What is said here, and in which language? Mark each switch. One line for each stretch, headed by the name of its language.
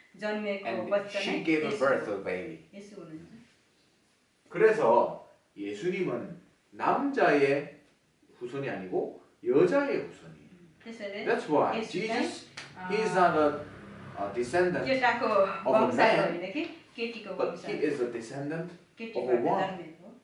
English: And she gave a birth to a baby.
Korean: 그래서 예수님은 남자의 후손이 아니고 여자의 후손이에요.
English: That's why Jesus, he is not a descendant of a man, but he is a descendant of a woman.